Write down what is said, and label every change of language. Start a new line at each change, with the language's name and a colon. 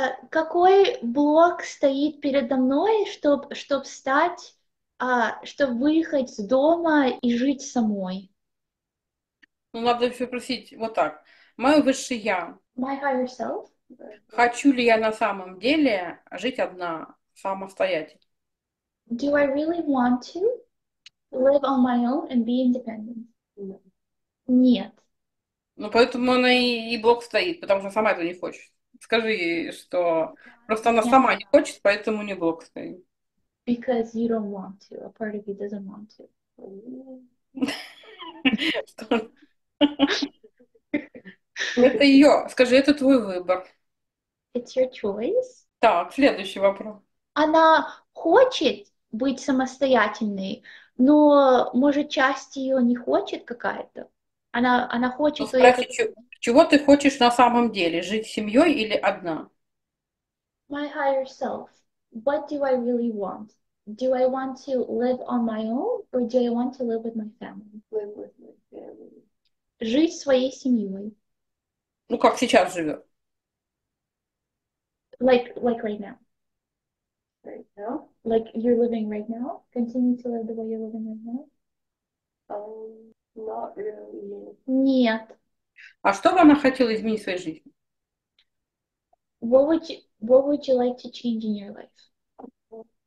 Russian: Какой блок стоит передо мной, чтоб стать... чтобы выехать с дома и жить самой. Ну, надо все спросить вот так. Мое высшее я.
English: My higher self.
Russian: Хочу ли я на самом деле жить одна, самостоятельно?
English: Do I really want to live on my own and be independent? No.
Russian: Нет. Ну, поэтому она и блок стоит, потому что сама этого не хочет. Скажи ей, что просто она сама не хочет, поэтому не блок стоит.
English: Because you don't want to. A part of you doesn't want to.
Russian: Это ее. Скажи, это твой выбор.
English: It's your choice.
Russian: Так, следующий вопрос. Она хочет быть самостоятельной, но, может, часть ее не хочет какая-то? Она хочет... Ну, спроси, чего ты хочешь на самом деле? Жить семьей или одна?
English: My higher self. What do I really want? Do I want to live on my own or do I want to live with my family? Live with my family.
Russian: Жить своей семьей. Ну, как сейчас живет?
English: Like right now. Right now? Like you're living right now? Continue to live the way you're living right now? Not really.
Russian: Нет. А что бы она хотела изменить в своей жизни?
English: What would you like to change in your life?